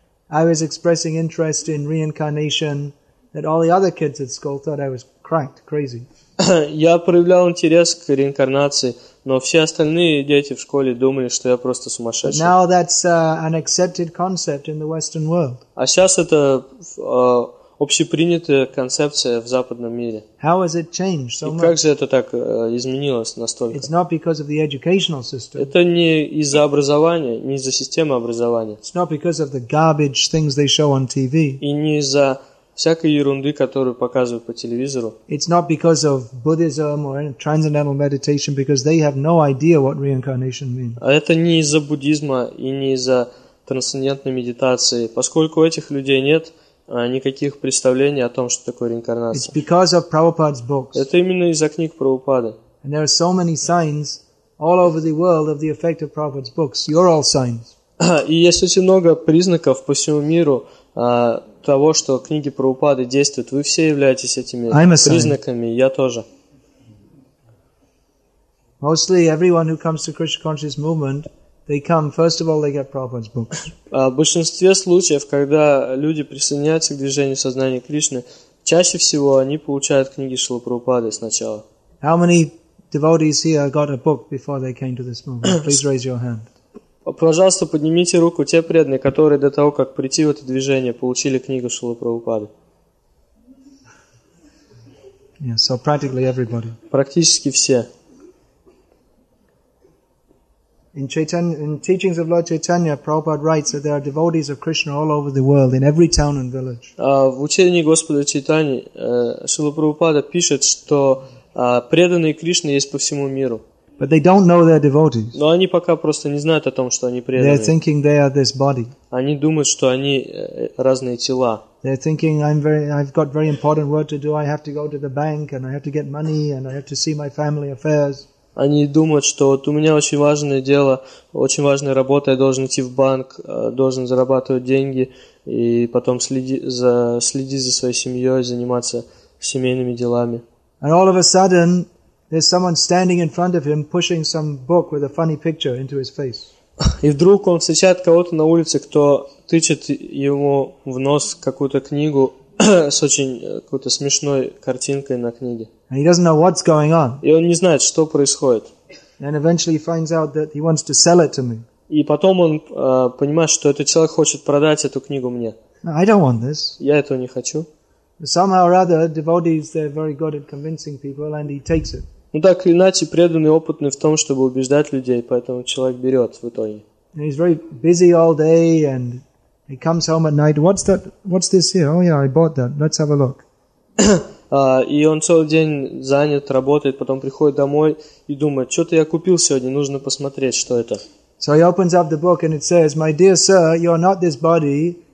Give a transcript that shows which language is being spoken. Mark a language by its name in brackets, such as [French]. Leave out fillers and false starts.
[English] I was expressing interest in reincarnation that all the other kids at school thought I was cracked, crazy. [Russian] Я проявлял интерес к реинкарнации, но все остальные дети в школе думали, что я просто сумасшедший. [English] Now that's an accepted concept in the Western world. [Russian] А сейчас это общепринятая концепция в западном мире. [English] How has it changed so [Russian] и [English] much? [Russian] Как же это так изменилось настолько? [English] It's not because of the educational system. [Russian] Это не из-за образования, не из-за системы образования. [English] It's not because of the garbage things they show on TV. [Russian] И не из-за всякой ерунды, которую показывают по телевизору. [English] It's not because of Buddhism or transcendental meditation, because they have no idea what reincarnation means. [Russian] А это не из-за буддизма и не из-за трансцендентной медитации, поскольку у этих людей нет никаких представлений о том, что такое реинкарнация. [English] It's because of Prabhupada's books. [Russian] Это именно из-за книг Прабхупады. [English] And there are so many signs all over the world of the effect of Prabhupada's books. You're all signs. [Russian] И есть очень много признаков по всему миру того, что книги Прабхупады действуют. Вы все являетесь этими признаками, я тоже. [English] Mostly everyone who comes to Krishna consciousness movement, they come, first of all, they get Prabhupada's books. [Russian] В большинстве случаев, когда люди присоединяются к движению сознания Кришны, чаще всего они получают книги Шрилы Прабхупады сначала. [English] How many devotees here got a book before they came to this movement? Please raise your hand. [Russian] Пожалуйста, поднимите руку те преданные, которые до того, как прийти в это движение, получили книгу Шрилы Прабхупады. [English] Yeah, so practically everybody. [Russian] Практически все. [English] In teachings of Lord Chaitanya, Prabhupada writes that there are devotees of Krishna all over the world, in every town and village. [Russian] В учении Господа Чайтани Шрила Прабхупада пишет, что преданные Кришны есть по всему миру. [English] But they don't know they're devotees. [Russian] Но они пока просто не знают о том, что они преданные. [English] They're thinking they are this body. [Russian] Они думают, что они разные тела. [English] They're thinking I've got very important work to do. I have to go to the bank and I have to get money and I have to see my family affairs. [Russian] Они думают, что вот у меня очень важное дело, очень важная работа, я должен идти в банк, должен зарабатывать деньги, и потом следить за своей семьей, заниматься семейными делами. [English] And all of a sudden, there's someone standing in front of him pushing some book with a funny picture into his face. [Russian] И вдруг он встречает кого-то на улице, кто тычет ему в нос какую-то книгу с очень какой-то смешной картинкой на книге. [English] And he doesn't know what's going on. [Russian] И он не знает, что происходит. [English] And eventually he finds out that he wants to sell it to me. [Russian] И потом он понимает, что этот человек хочет продать эту книгу мне. [English] I don't want this. [Russian] Я этого не хочу. [English] Somehow or other, devotees, they're very good at convincing people, and he takes it. [Russian] Ну так или иначе, преданный опытный в том, чтобы убеждать людей, поэтому человек берет в итоге. [English] And he's very busy all day, and he comes home at night. What's that? What's this here? Oh yeah, I bought that. Let's have a look. [Russian] И он целый день занят, работает, потом приходит домой и думает, что-то я купил сегодня, нужно посмотреть, что это. [English] So he opens up the book and it says, "My dear sir, you're not this body.